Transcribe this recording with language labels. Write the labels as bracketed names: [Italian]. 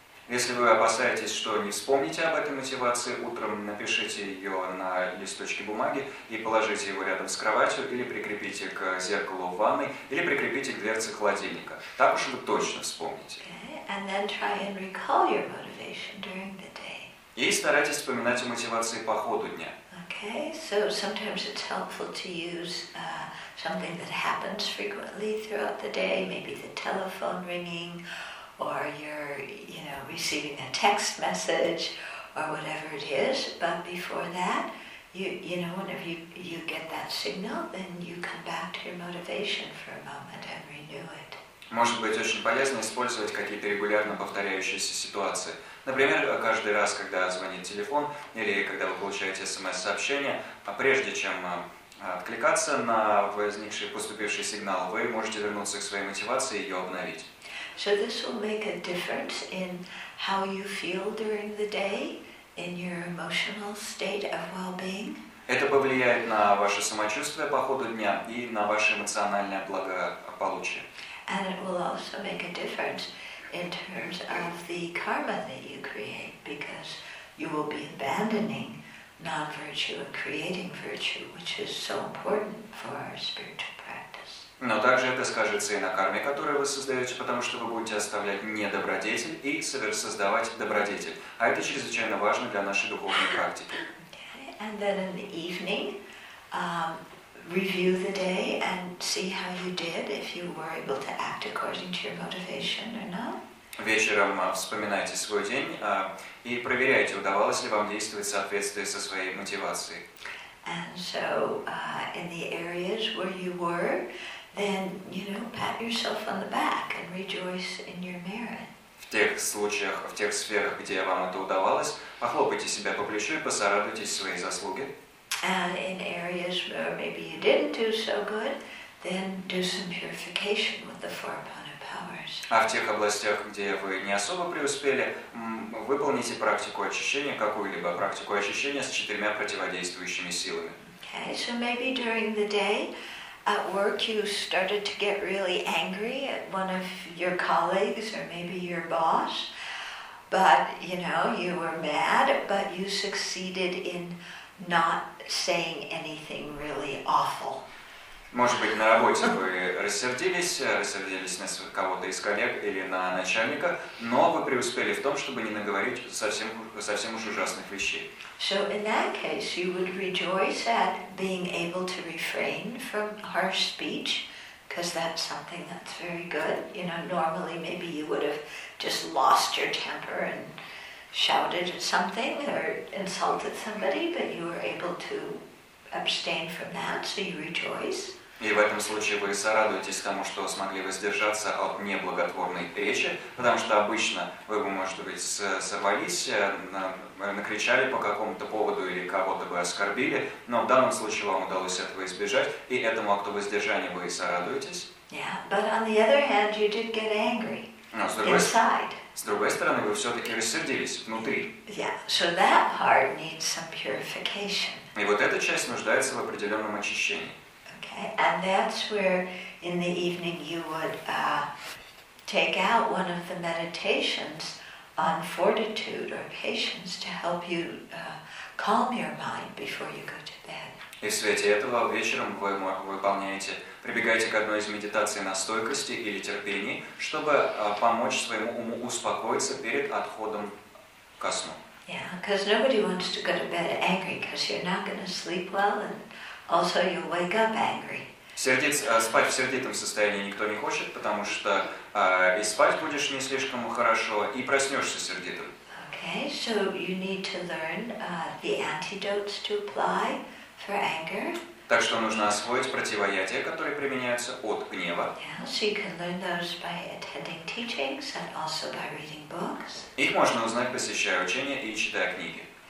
[Russian] Если вы опасаетесь, что не вспомните об этой мотивации утром, напишите ее на листочке бумаги и положите его рядом с кроватью, или прикрепите к зеркалу в ванной, или прикрепите к дверце холодильника. Так уж вы точно вспомните. [English] Okay. And then try and recall your motivation during the day. [Russian] И старайтесь вспоминать о мотивации по ходу дня. [English] Okay. So sometimes it's helpful to use something that happens frequently throughout the day, maybe the telephone ringing, or you're, you know, receiving a text message, or whatever it is. But before that, you know, whenever you get that signal, then you come back to your motivation for a moment and renew it. [Russian] Может быть, очень полезно использовать какие-то регулярно повторяющиеся ситуации. Например, каждый раз, когда звонит телефон, или когда вы получаете смс-сообщение, а прежде чем откликаться на возникший, поступивший сигнал, вы можете вернуться к своей мотивации и ее обновить. [English] So this will make a difference in how you feel during the day, in your emotional state of well-being. [Russian] Это повлияет на ваше самочувствие по ходу дня и на ваше эмоциональное благополучие. [English] And it will also make a difference in terms of the karma that you create, because you will be abandoning non-virtue and creating virtue, which is so important for our spiritual practice. [Russian] Но также это скажется и на карме, которую вы создаете, потому что вы будете оставлять недобродетель и создавать добродетель. А это чрезвычайно важно для нашей духовной практики. [English] And then in the evening, review the day and see how you did, if you were able to act according to your motivation or not. [Russian] Вечером вспоминайте свой день и проверяйте, удавалось ли вам действовать в соответствии со своей мотивацией. [English] And so, in the areas where you were, then, you know, pat yourself on the back and rejoice in your merit. [Russian] В тех случаях, в тех сферах, где вам это удавалось, похлопайте себя по плечу и посорадуйтесь своей заслуги. [English] And in areas where maybe you didn't do so good, then do some purification with the four opponent powers. [Russian] А в тех областях, где вы не особо преуспели, выполните практику очищения, какую-либо практику очищения с четырьмя противодействующими силами. [English] Okay, so maybe during the day at work you started to get really angry at one of your colleagues or maybe your boss, but you know, you were mad, but you succeeded in not saying anything really awful. [Russian] Может быть, на работе вы рассердились на кого-то из коллег или на начальника, но вы преуспели в том, чтобы не наговорить совсем уж ужасных вещей. [English] So in that case, you would rejoice at being able to refrain from harsh speech, because that's something that's very good. You know, normally maybe you would have just lost your temper and shouted at something or insulted somebody, but you were able to abstain from that, so you rejoice. [Russian] И в этом случае вы сорадуетесь тому, что смогли воздержаться от неблаготворной речи, потому что обычно вы бы, может быть, сорвались, накричали по какому-то поводу или кого-то бы оскорбили, но в данном случае вам удалось этого избежать, и этому акту воздержания вы и сорадуетесь. [English] Yeah, but on the other hand, you did get angry. [Russian] Но с другой стороны, вы все-таки рассердились внутри. [English] Yeah, so that part needs some purification. [Russian] И вот эта часть нуждается в определенном очищении. [English] And that's where in the evening you would take out one of the meditations on fortitude or patience to help you calm your mind before you go to bed. [Russian] И в свете этого вечером вы прибегаете к одной из медитаций на стойкости или терпении, чтобы помочь своему уму успокоиться перед отходом ко сну. [English] Yeah, because nobody wants to go to bed angry, because you're not going to sleep well and also you wake up angry. [Russian] Спать в сердитом состоянии никто не хочет, потому что и спать будешь не слишком хорошо, и проснешься сердитым. [English] Okay, so you need to learn the antidotes to apply for anger. [Russian] Так что нужно освоить противоядия, которые применяются от гнева. [English] Yeah, so you can learn those by attending teachings and also by reading books. [Russian] Их можно узнать, посещая учения и читая книги.